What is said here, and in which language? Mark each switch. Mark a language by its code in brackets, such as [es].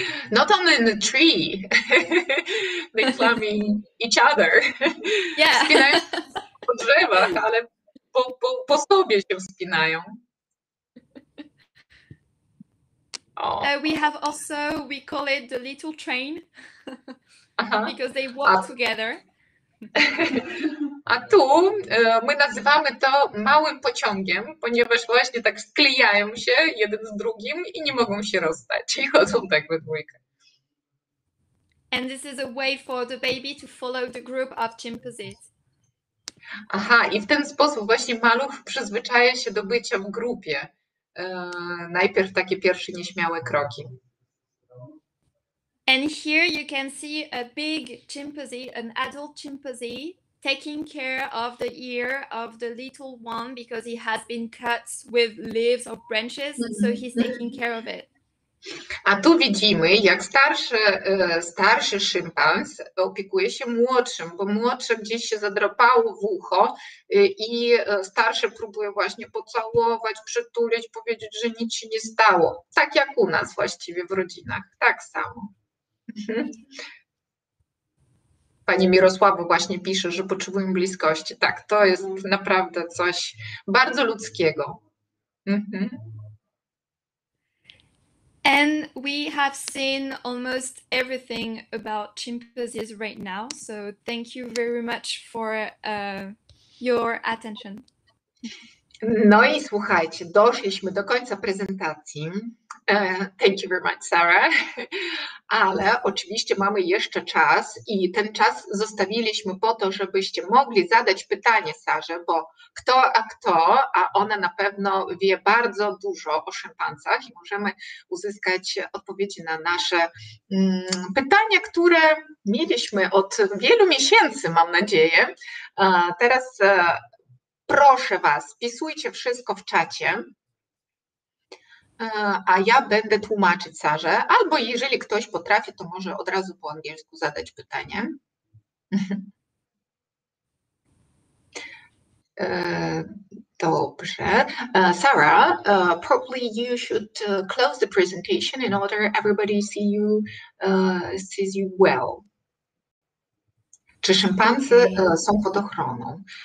[en] Not only in the tree, they climbing each other. Yeah. [pl] Wspinają się po drzewach, ale po sobie się wspinają. Oh. [en] We have also, we call it the little train, because they walk together. [pl] A tu my nazywamy to małym pociągiem, ponieważ właśnie tak sklejają się jeden z drugim i nie mogą się rozstać. I chodzą tak we dwójkę. [en] And this is a way for the baby to follow the group of chimpanzees. [pl] Aha, i w ten sposób właśnie maluch przyzwyczaja się do bycia w grupie. Najpierw takie pierwsze nieśmiałe kroki. [en] And here you can see a big chimpanzee, an adult chimpanzee, taking care of the ear of the little one because he has been cut with leaves or branches, so he's taking care of it. [pl] A tu widzimy, jak starszy szympans opiekuje się młodszym, bo młodszy gdzieś się zadrapało w ucho i starszy próbuje właśnie pocałować, przytulić, powiedzieć, że nic się nie stało. Tak jak u nas właściwie w rodzinach, tak samo. Pani Mirosławo właśnie pisze, że potrzebują bliskości. Tak, to jest naprawdę coś bardzo ludzkiego. [en] And we have seen almost everything about chimpanzees right now, so thank you very much for your attention. [pl] No i słuchajcie, doszliśmy do końca prezentacji. [en] Thank you very much, Sarah. [pl] Ale oczywiście mamy jeszcze czas i ten czas zostawiliśmy po to, żebyście mogli zadać pytanie Sarze, bo kto, a ona na pewno wie bardzo dużo o szympansach i możemy uzyskać odpowiedzi na nasze pytania, które mieliśmy od wielu miesięcy, mam nadzieję. Teraz proszę Was, wpisujcie wszystko w czacie, a ja będę tłumaczyć Sarze, albo jeżeli ktoś potrafi, to może od razu po angielsku zadać pytanie. Dobrze. [en] Sarah, probably you should close the presentation in order everybody sees you well. [pl] Czy szympansy są pod ochroną?